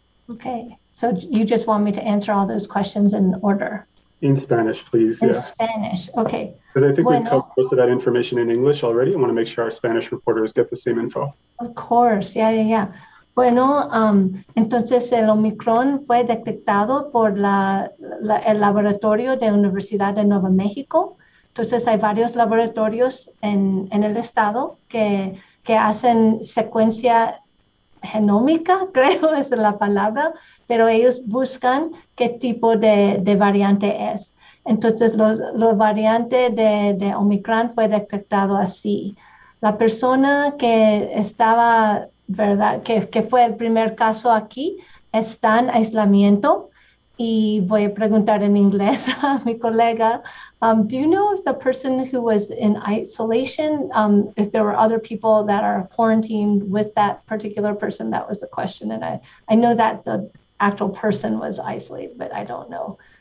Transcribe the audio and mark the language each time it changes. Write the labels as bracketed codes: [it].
[en] Okay, so you just want me to answer all those questions in order? In Spanish, please. In yeah. Spanish, okay. Because I think we've covered most of that information in English already. I want to make sure our Spanish reporters get the same info. Of course, yeah. [es] Bueno, entonces el Omicron fue detectado por el laboratorio de la Universidad de Nuevo México. Entonces hay varios laboratorios en el estado que hacen secuencia genómica, creo es la palabra, pero ellos buscan qué tipo de variante es. Entonces la variante de Omicron fue detectado así. La persona que estaba, ¿verdad?, que fue el primer caso aquí, está en aislamiento. Y voy a preguntar en inglés a mi colega, [en] do you know if the person who was in isolation, if there were other people that are quarantined with that particular person? That was the question. And I know that the actual person was isolated, but I don't know